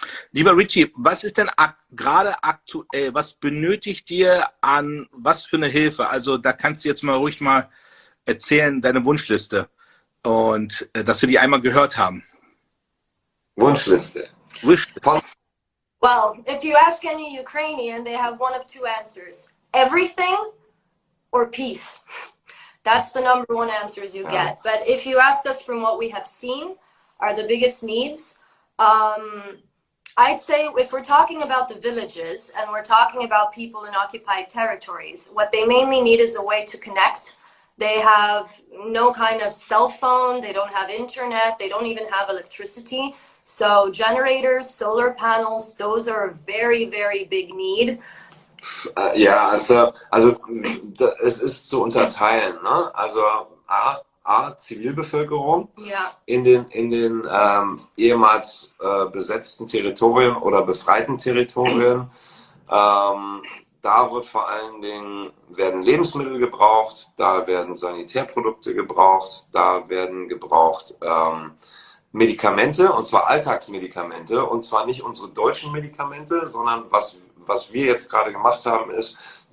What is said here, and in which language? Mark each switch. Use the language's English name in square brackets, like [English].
[German] Lieber Richie, was ist denn gerade aktuell, was benötigt ihr an was für eine Hilfe? Also da kannst du jetzt mal ruhig mal erzählen, deine Wunschliste und dass wir die einmal gehört haben. Wunschliste. [English] Well, if you ask any Ukrainian, they have one of two answers. Everything or peace. That's the number one answers you get. But if you ask us from what we have seen, are the biggest needs, I'd say if we're talking about the villages and we're talking about people in occupied territories, what they mainly need is a way to connect. They have no kind of cell phone, they don't have internet, they don't even have electricity. So generators, solar panels, those are a very, very big need. [German] Ja, also es ist zu unterteilen, ne? Also A, Zivilbevölkerung in den ehemals besetzten Territorien oder befreiten Territorien. Da wird vor allen Dingen, werden Lebensmittel gebraucht, da werden Sanitärprodukte gebraucht, da werden gebraucht Medikamente, und zwar Alltagsmedikamente, und zwar nicht unsere deutschen Medikamente, sondern was wir jetzt gerade gemacht haben ist,